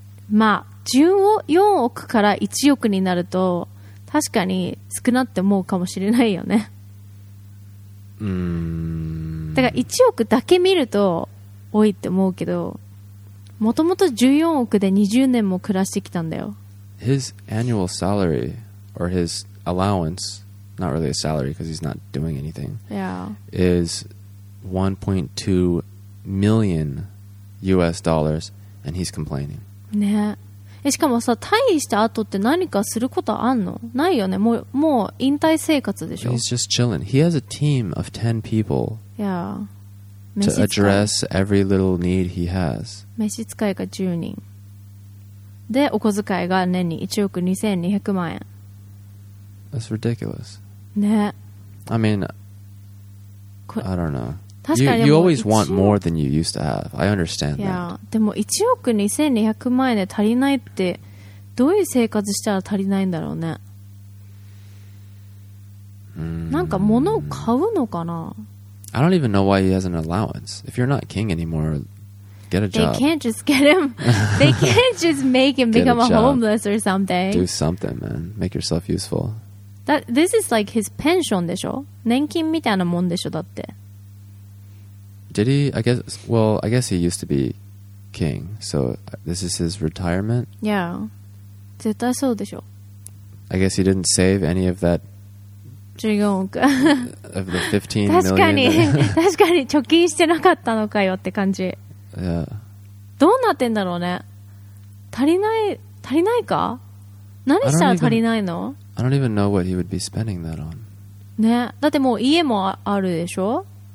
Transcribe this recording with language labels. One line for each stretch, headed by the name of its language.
Japanese: まあ14億から1億になると確かに少なって思うかもしれないよね。うーん、だから1億だけ見ると多いって思うけど、もともと14億で20年も暮らしてきたんだよ。
English: His annual salary or his allowance, not really a salary because he's not doing anything, yeah, is 1.2 million US dollars and he's complaining.
Japanese: ね、しかもさ、退位した後って何かすることあんの？ないよね。もう引退生活でしょ。
English: He's just chilling. He has a team of 10 people. Yeah. To address every little need he has.
Japanese: 召使いが10人で、お小遣いが年に1億2200万円。
English: That's ridiculous.
Japanese: ね、
English: I mean, I don't know. You always want more than you used to have. I understand that.
Japanese: でも1億2200万円で足りないって、どういう生活したら足りないんだろうね。なんか物を買うのかな。
English: I don't even know why he has an allowance. If you're not king anymore, get a job. They can't just get him. They can't just make him become a homeless or something. Do something, man. Make yourself useful. This is like his pension,
Japanese: でしょ？年金みたいなもんでしょ、だって。
English: Did he? I guess he used to be king. So this is his retirement?
Japanese: Yeah. 絶対そうでしょ。
English: I guess he didn't save any of that.
Japanese: 14億
English: of the 15 million.
Japanese: 確かに貯金してなかったのかよって感じ。どうなってんだろうね。足りないか。何したら足りないの。
English: I don't even know what he would be spending that on.
Japanese: ね、だってもう家もあるでしょ。